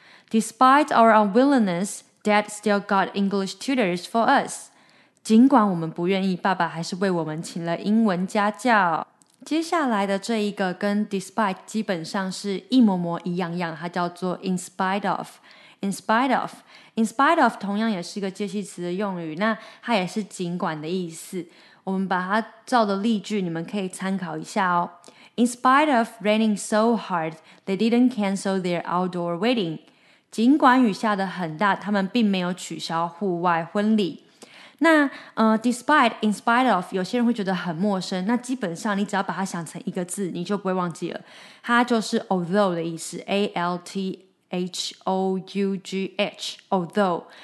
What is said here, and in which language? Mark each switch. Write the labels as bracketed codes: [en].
[en] Despite our unwillingness, Dad still got English tutors for us. [zh] 尽管我们不愿意，爸爸还是为我们请了英文家教。接下来的这一个跟 despite 基本上是一模模一样样，它叫做 in spite of 同样也是一个介系词的用语，那它也是尽管的意思。我们把它照的例句你们可以参考一下哦。 [en] In spite of raining so hard, they didn't cancel their outdoor wedding. [zh] 尽管雨下得很大，他们并没有取消户外婚礼。那despite, in spite of, 有些人会觉得很陌生，那基本上你只要把它想成一个字，你就不会忘记了。它就是 although 的意思， A-L-T-H-O-U-G-H, although。